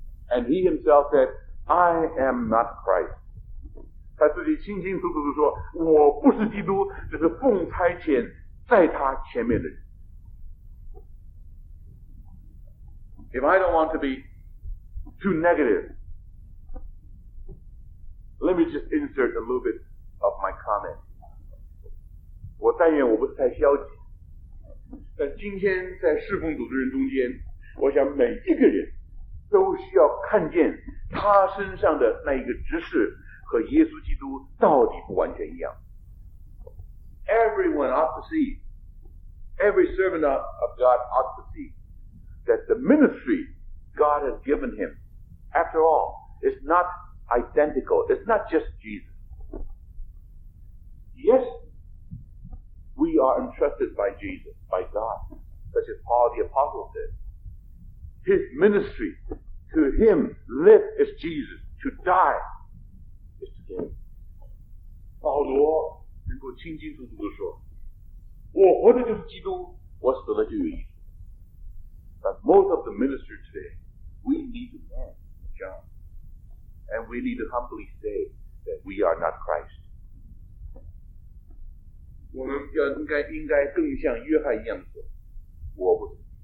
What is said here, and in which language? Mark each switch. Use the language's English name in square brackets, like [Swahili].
[English] And he himself said, I am not Christ. [Chinese] 他自己清清楚楚地说，我不是基督，这是奉差遣在他前面的人。 [English] If I don't want to be too negative, let me just insert a little bit of my comment. [Chinese] 我但愿我不是太消极，但今天在侍奉主的人中间，我想每一个人都需要看见他身上的那一个执事和耶稣基督到底不完全一样。 [English] Everyone ought to see, every servant of God ought to see that the ministry God has given him, after all, is not identical, it's not just Jesus. Yes, we are entrusted by Jesus, by God, such as Paul the Apostle said. His ministry to him live is Jesus, to die is to gain. [Chinese] 保罗能够清清楚楚地说，我活的就是基督，我死的就有意义。 [English] But most of the ministers today, we need to learn John, and we need to humbly say that we are not Christ. [Chinese] 我们要应该更像约翰一样说，我不是。